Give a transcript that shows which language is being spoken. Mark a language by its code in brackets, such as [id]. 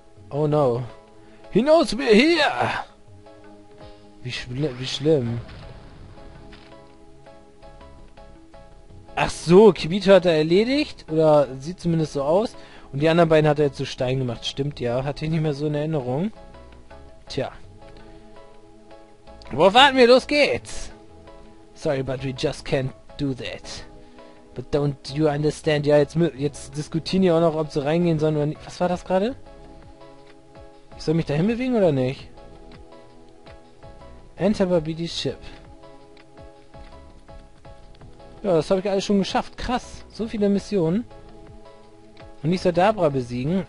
[de] Oh no. Hinaus mir hier! Wie schlimm. Ach so, Kibito hat er erledigt. Oder sieht zumindest so aus. Und die anderen beiden hat er jetzt zu Stein gemacht. Stimmt ja. Hatte ich nicht mehr so in Erinnerung. Tja. Wo warten wir? Los geht's! [en] Sorry, but we just can't do that. But don't you understand? [de] Ja, jetzt diskutieren die auch noch, ob sie reingehen sollen oder nicht. Was war das gerade? Ich soll mich dahin bewegen oder nicht? [en] Enter Babidis Ship. [de] Ja, das habe ich alles schon geschafft. Krass. So viele Missionen. Und ich soll Dabra besiegen.